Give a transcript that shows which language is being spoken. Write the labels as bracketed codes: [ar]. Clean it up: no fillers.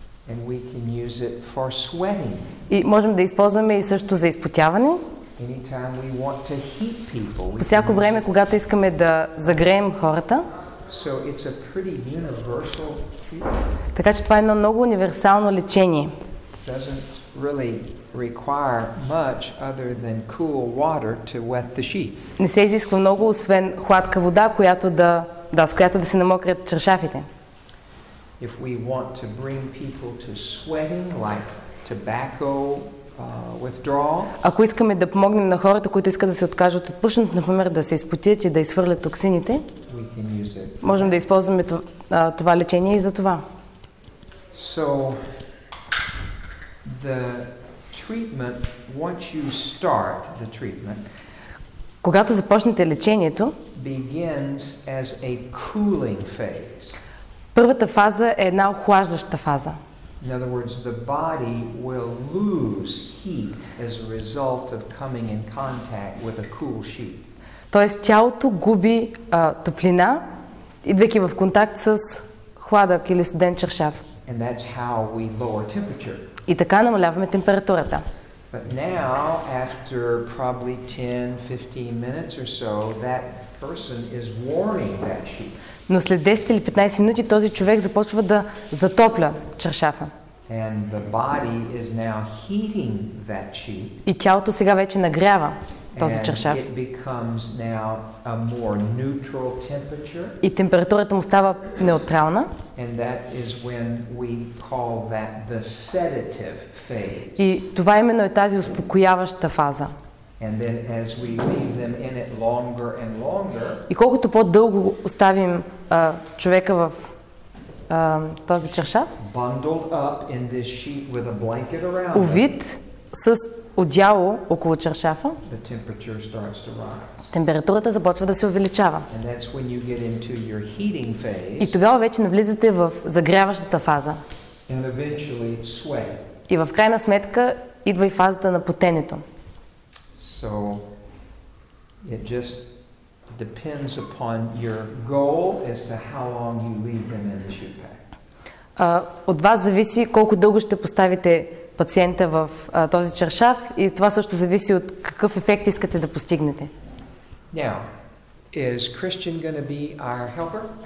[en] And we can use it for sweating. [bg] И можем да използваме и също за изпотяване. [en] Anytime we want to heat people. [bg] По всяко време, когато искаме да загреем хората. [en] So it's a pretty universal treatment. [bg] Така че това е едно много универсално лечение. [en] Doesn't really require much other than cool water to wet the sheep. [bg] Не се изисква много, освен хладка вода, която да, да, с която да се намокрят чершафите. [en] If we want to bring people to sweating, like tobacco withdrawal. [bg] Ако искаме да помогнем на хората, които искат да се откажат от пушенето, например, да се изпотят и да изхвърлят токсините, [en] we can use it. [bg] Можем да използваме това лечение и за това. [en] So, the treatment, once you start the treatment, [bg] когато започнете лечението, [en] begins as a cooling phase. [bg] Първата фаза е една охлаждаща фаза. [en] In other words, the body will lose heat as a result of coming in contact with a cool sheet. [bg] Тоест тялото губи топлина, идвайки в контакт с хладък или студен чершав. [en] And that's how we lower temperature. [bg] И така намаляваме температурата. [en] But now, after probably 10, 15 minutes or so, that person is warming that sheep. [bg] Но след 10 или 15 минути този човек започва да затопля чаршафа. [en] And the body is now heating that sheep. [bg] И тялото сега вече нагрява този чаршаф. [en] And it becomes now a more neutral temperature. [bg] И температурата му става неутрална. [en] And that is when we call that the sedative phase. [bg] И това именно е тази успокояваща фаза. [en] And then as we leave them in it longer and longer. [bg] И колкото по-дълго оставим човека в този чаршаф, [en] bundled up in this sheet with a blanket around. [bg] Увит с одяло около чаршафа. [en] The temperature starts to rise. [bg] Температурата започва да се увеличава. [en] And that's when you get into your heating phase. [bg] И тогава вече навлизате в загряващата фаза. [en] And eventually sweat. [bg] И в крайна сметка идва и фазата на потенето. [en] So it just depends upon your goal as to how long you leave them in the shoe pack. [bg] От вас зависи колко дълго ще поставите пациента в този чаршаф и това също зависи от какъв ефект искате да постигнете. [en] Now, is Christian going to be our helper?